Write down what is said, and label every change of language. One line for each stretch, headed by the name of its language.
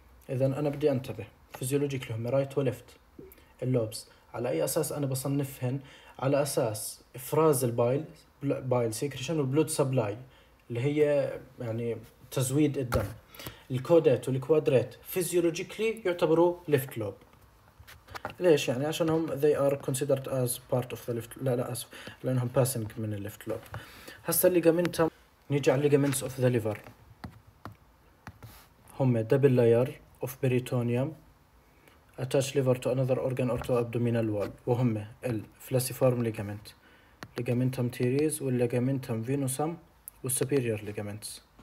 Arabic: اذا انا بدي انتبه physiologically هم right و left اللوبس. على اي اساس انا بصنفهن؟ على اساس افراز البايل بايل سيكريشن والبلود سبلاي اللي هي يعني تزويد الدم. الكودات والكوادرات فيزيولوجيكلي يعتبروا ليفت لوب. ليش يعني؟ عشان هم
English: they are considered as part of the left.
Arabic: لا لا أسف، لأنهم
English: passing
Arabic: من
English: the left lobe.
Arabic: هسا الليجامنت، نيجي على
English: ligaments of the liver، هم double layer of peritoneum attach liver to another organ or to abdominal wall، وهم ال flaciform ligament، ligamentum teres والligamentum venosum والsuperior ligaments.